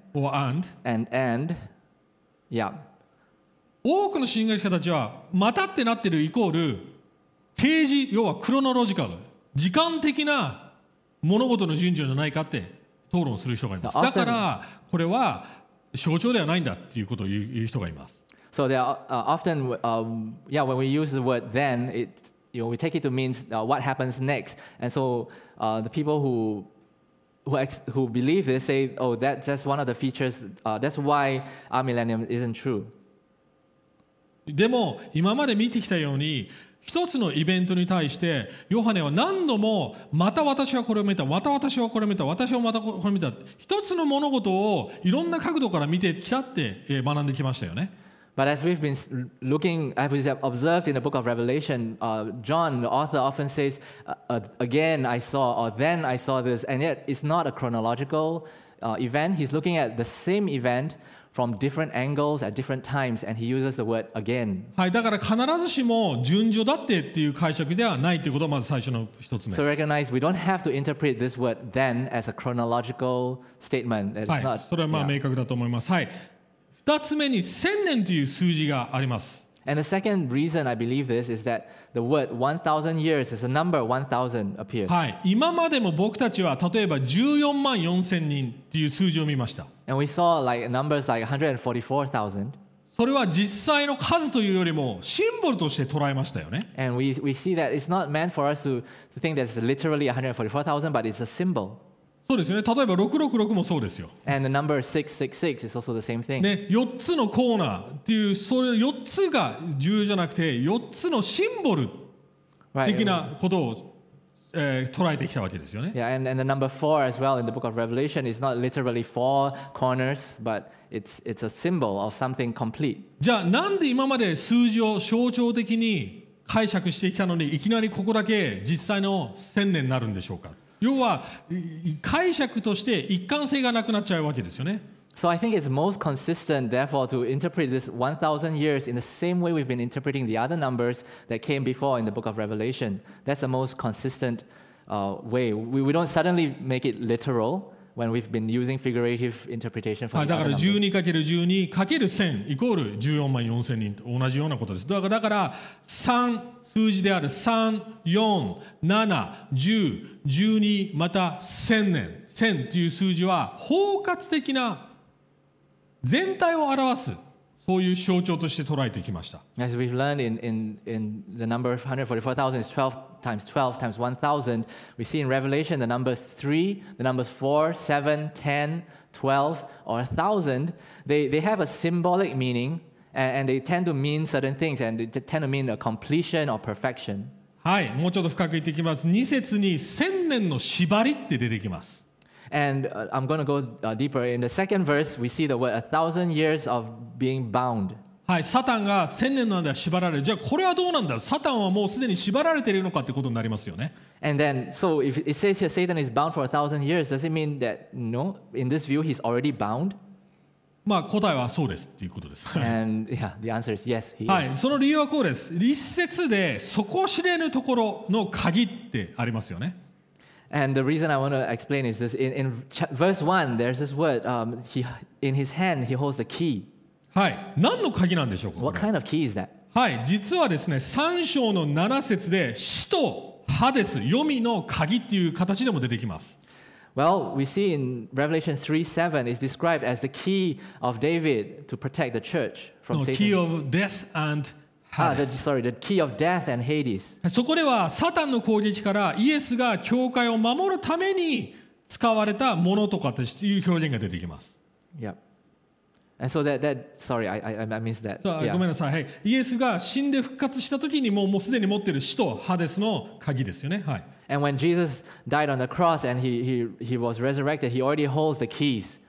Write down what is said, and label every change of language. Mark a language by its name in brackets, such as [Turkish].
[English] or and. And, yeah. [Japanese] 多くの神学者たちはまたってなってるイコール定時、要はクロノロジカル、時間的な物事の順序じゃないかって討論する人がいます。だからこれは象徴ではないんだっていうことを言う人がいます。 [English] So there are often, when we use the word then, it, you know, we take it to mean what happens next. And so the people who believe this say, oh, that's one of the features, that's why our millennium isn't true. [Japanese] でも今まで見てきたように一つのイベントに対してヨハネは何度もまた私はこれを見た、また私はこれを見た、私はまたこれを見た、一つの物事をいろんな角度から見てきたって学んできましたよね。 [English] But as we've been looking, as we've observed in the book of Revelation, John, the author, often says, again I saw, or then I saw this, and yet it's not a chronological event. He's looking at the same eventfrom different angles at different times, and he uses the word again. [Japanese] はい、だから必ずしも順序だってっていう解釈ではないということをまず最初の一つ目。 [English] So recognize we don't have to interpret this word then as a chronological statement. It's not. [Japanese] はい、それはまあ明確だと思います。はい、二つ目に千年という数字があります。 [English] And the second reason I believe this is that the word 1,000 years is a number 1,000 appears. [Japanese] はい、今までも僕たちは例えば14万4千人という数字を見ました。 [English] And we saw like numbers like 144,000. [Japanese] それは実際の数というよりもシンボルとして捉えましたよね。 [English] And we see that it's not meant for us to think that it's literally 144,000, but it's a symbol. [Japanese] そうですよね。例えば666もそうですよ。 [English] And the number 666 is also the same thing. [Japanese] ね、4つのコーナーっていう、それ4つが重要じゃなくて、4つのシンボル的なことを、捉えてきたわけですよね。 [English] Yeah, and the number four as well in the book of Revelation is not literally four corners, but it's a symbol of something complete. [Japanese] じゃあなんで今まで数字を象徴的に解釈してきたのにいきなりここだけ実際の千年になるんでしょうか。要は解釈として一貫性がなくなっちゃうわけですよね。 [English] So I think it's most consistent, therefore, to interpret this 1,000 years in the same way we've been interpreting the other numbers that came before in the book of Revelation. That's the most consistent way. We don't suddenly make it literal when we've been using figurative interpretation for the other numbers. [Japanese] だから12×12×1000 イコール14万4千人と同じようなことです。だから3数字である3、4、7、10、12、また1000年、1000という数字は包括的な全体を表すそういう象徴として捉えてきました。 [English] As we've learned in the number 144,000 is 12 times 12 times 1,000. We see in Revelation the numbers 3, the numbers 4, 7, 10, 12, or 1,000. They have a symbolic meaning and they tend to mean certain things and they tend to mean a completion or perfection. [Japanese] はい、もうちょっと深く言っていきます。2節に千年の縛りって出てきます。 [English] And I'm going to go deeper. In the second verse, we see the word 1,000 years of being bound. [Japanese] はい、サタンが千年の間縛られる。じゃあこれはどうなんだ？サタンはもうすでに縛られているのかってことになりますよね。 [English] And then, so if it says here Satan is bound for 1,000 years, does it mean that, no, in this view, he's already bound? [Japanese] まあ答えはそうですっていうことです。 [English] And yeah, the answer is yes, he is. [Japanese] はい、その理由はこうです。一節で底知れぬところの鍵ってありますよね。 [English] And the reason I want to explain is this. In verse 1, there's this word, in his hand, he holds the key. [Japanese] はい。何の鍵なんでしょうか？ [English] What kind of key is that? [Japanese] はい。実はですね、3章の7節で、死と歯です。黄泉の鍵っていう形でも出てきます。 [English] Well, we see in Revelation 3:7, it's described as the key of David to protect the church from Satan. No, key of death and The key of death and Hades. [Japanese] そこではサタンの攻撃からイエスが教会を守るために使われたものとかという表現が出てきます。 [English] Yeah. And so that sorry, I missed that. Yeah. [Japanese] ごめんなさい。はい。イエスが死んで復活した時にもうすでに持っている死とハデスの鍵ですよね。はい。 [English] And when Jesus died on the cross and he was resurrected, he already holds the keys.